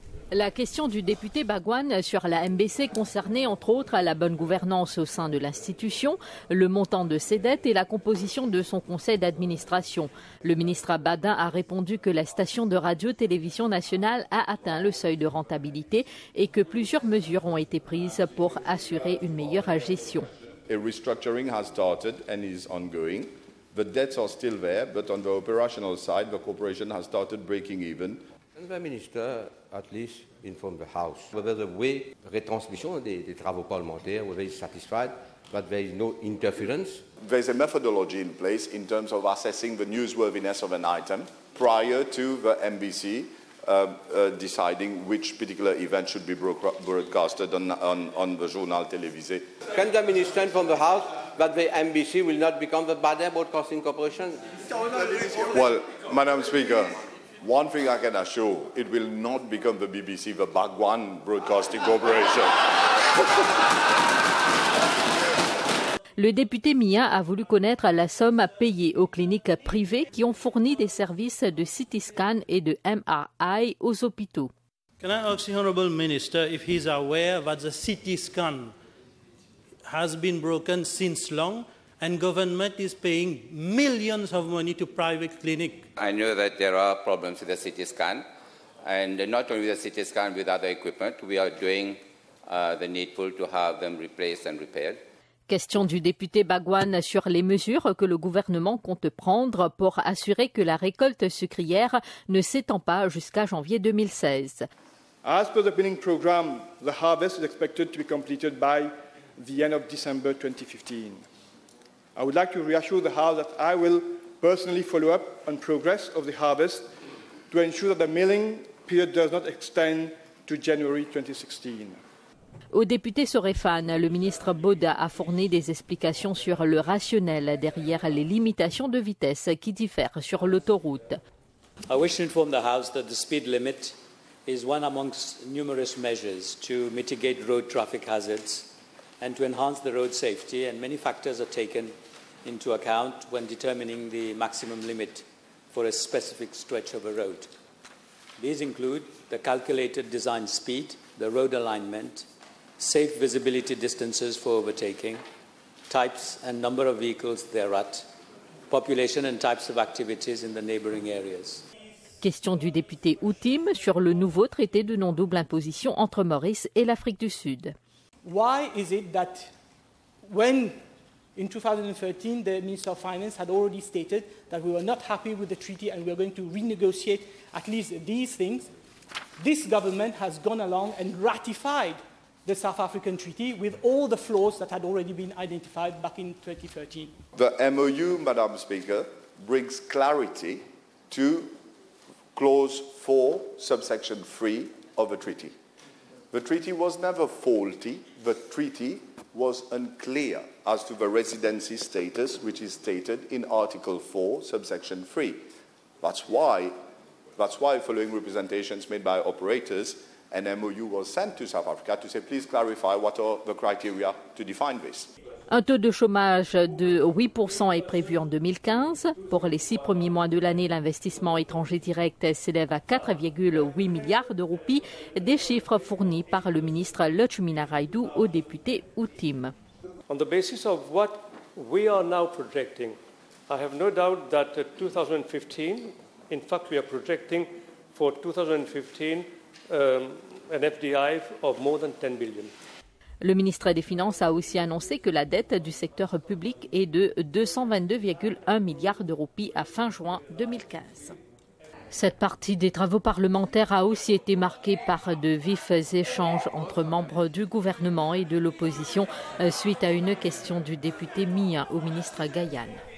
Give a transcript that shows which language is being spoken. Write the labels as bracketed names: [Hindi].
[French] La question du député Bhagwan sur la MBC concernait entre autres la bonne gouvernance au sein de l'institution, le montant de ses dettes et la composition de son conseil d'administration. Le ministre Abadin a répondu que la station de radio-télévision nationale a atteint le seuil de rentabilité et que plusieurs mesures ont été prises pour assurer une meilleure gestion. [English] A restructuring has started and is ongoing. The debts are still there, but on the operational side, the corporation has started breaking even. The minister at least inform the House whether the way [French] retransmission des travaux parlementaires, [English] whether he's satisfied that there is no interference. There's a methodology in place in terms of assessing the newsworthiness of an item prior to the MBC deciding which particular event should be broadcasted on the journal télévisé. Can the minister inform the House that the MBC will not become the Baden Broadcasting Corporation? Well, Madam Speaker, One thing I can assure, it will not become the BBC, the Bhagwan Broadcasting Corporation. [French] Le député Mia a voulu connaître la somme à payer aux cliniques privées qui ont fourni des services de CT scan et de MRI aux hôpitaux. [English] Can I ask the honorable minister if he's aware that the CT scan has been broken since long and government is paying millions of money to private clinic? I know that there are problems with the CT scan, and not only with the CT scan, with other equipment. We are doing the needful to have them replaced and repaired. [French] Question du député Bhagwan sur les mesures que le gouvernement compte prendre pour assurer que la récolte sucrière ne s'étend pas jusqu'à janvier 2016. [English] As per the billing program, the harvest is expected to be completed by the end of December 2015. I would like to reassure the House that I will personally follow up on progress of the harvest to ensure that the milling period does not extend to January 2016. [French] Au député Sorefan, le ministre Bauda a fourni des explications sur le rationnel derrière les limitations de vitesse qui diffèrent sur l'autoroute. [English] I wish to inform the House that the speed limit is one amongst numerous measures to mitigate road traffic hazards and to enhance the road safety, and many factors are taken into account when determining the maximum limit for a specific stretch of a road. These include the calculated design speed, the road alignment, safe visibility distances for overtaking, types and number of vehicles thereat, population and types of activities in the neighboring areas. [French] Question du député Outim sur le nouveau traité de non-double imposition entre Maurice et l'Afrique du Sud. [English] Why is it that when in 2013 the Minister of Finance had already stated that we were not happy with the treaty and we are going to renegotiate at least these things, this government has gone along and ratified the South African Treaty with all the flaws that had already been identified back in 2013. The MOU, Madam Speaker, brings clarity to Clause 4, Subsection 3 of the treaty. The treaty was never faulty. The treaty was unclear as to the residency status, which is stated in Article 4, Subsection 3. That's why, following representations made by operators, an MOU was sent to South Africa to say, please clarify what are the criteria to define this. [French] Un taux de chômage de 8% est prévu en 2015. Pour les 6 premiers mois de l'année, l'investissement étranger direct s'élève à 4,8 milliards de roupies, des chiffres fournis par le ministre Lakshmina Raidu au député Outim. [English] On the basis of what we are now projecting, I have no doubt that 2015, in fact we are projecting for 2015, an FDI of more than 10 billion. [French] Le ministre des Finances a aussi annoncé que la dette du secteur public est de 222,1 milliards de roupies à fin juin 2015. Cette partie des travaux parlementaires a aussi été marquée par de vifs échanges entre membres du gouvernement et de l'opposition suite à une question du député Mia au ministre Gayane.